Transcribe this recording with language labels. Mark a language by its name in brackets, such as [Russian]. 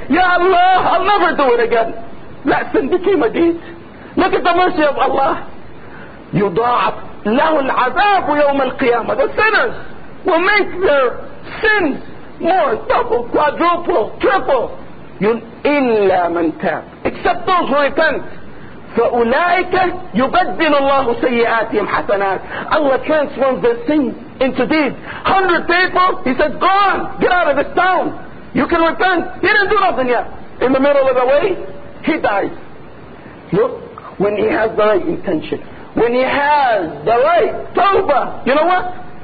[English] Ya Allah, I'll never do it again. That sin became a deed. Look at the mercy of Allah. [Arabic] يُضَاعَفْ لَهُ الْعَذَابُ يَوْمَ الْقِيَامَةِ [English] The sinners will make their sins more, double, quadruple, triple. [Arabic] إلا من تاب. [English] Except those who repent. [Arabic] فأولئك يبدل الله سيئاتهم حسنات. [English] Allah transforms their sins into deeds. 100 people, he says, go on, get out of this town. You can repent. He didn't do nothing yet. In the middle of the way, he dies. Look, when he has the right intention, when he has the right tawbah, you know what?